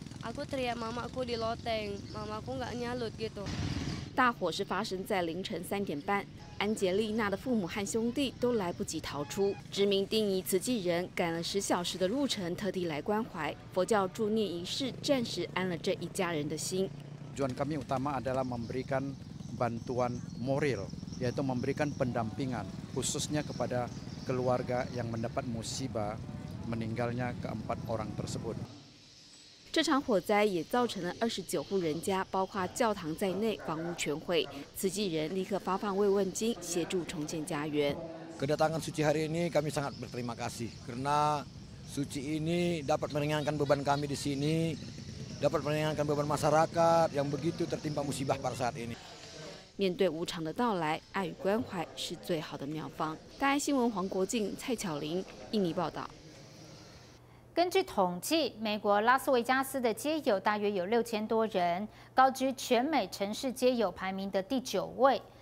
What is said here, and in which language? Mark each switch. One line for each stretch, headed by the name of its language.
Indonesian: Aku teriak mamaku di loteng, mamaku nggak nyalut gitu.
Chinese: 大火是发生在凌晨3点半。安杰丽娜的父母和兄弟都来不及逃出，知名定义慈济人赶了10小时的路程，特地来关怀。佛教助念仪式暂时安了这一家人的心。
Indonesian: Tujuan kami utama adalah memberikan bantuan moral, yaitu memberikan pendampingan khususnya kepada keluarga yang mendapat musibah meninggalnya keempat orang tersebut。
Chinese: 这场火灾也造成了29户人家，包括教堂在内，房屋全毁。慈济人立刻发放慰问金，协助重建家园。
Indonesian: Kedatangan suci hari ini kami sangat berterima kasih karena suci ini dapat meringankan beban kami di sini, dapat meringankan beban masyarakat yang begitu tertimpa musibah pada saat ini。
Chinese: 面对无常的到来，爱与关怀是最好的妙方。大爱新闻黄国静、蔡巧玲，印尼报道。根据统计，美国拉斯维加斯的街友大约有6000多人，高居全美城市街友排名的第9位。